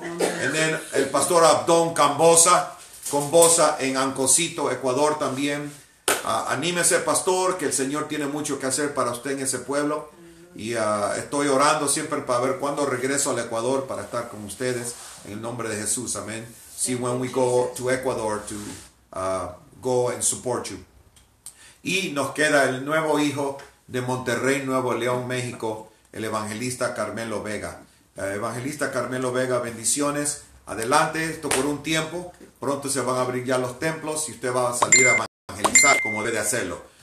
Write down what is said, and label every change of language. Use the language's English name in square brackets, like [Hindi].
[Spanish] En el pastor Abdón Cambosa, Cambosa en Ancosito, Ecuador también. Anímese, pastor, que el Señor tiene mucho que hacer para usted en ese pueblo. Y estoy orando siempre para ver cuándo regreso al Ecuador para estar con ustedes en el nombre de Jesús. Amén. [English] See when we go to Ecuador to go and support you. [Spanish] Y nos queda el nuevo hijo de Monterrey, Nuevo León, México, el evangelista Carmelo Vega. Evangelista Carmelo Vega, bendiciones. Adelante, esto por un tiempo. Pronto se van a abrir ya los templos y usted va a salir a evangelizar como debe hacerlo.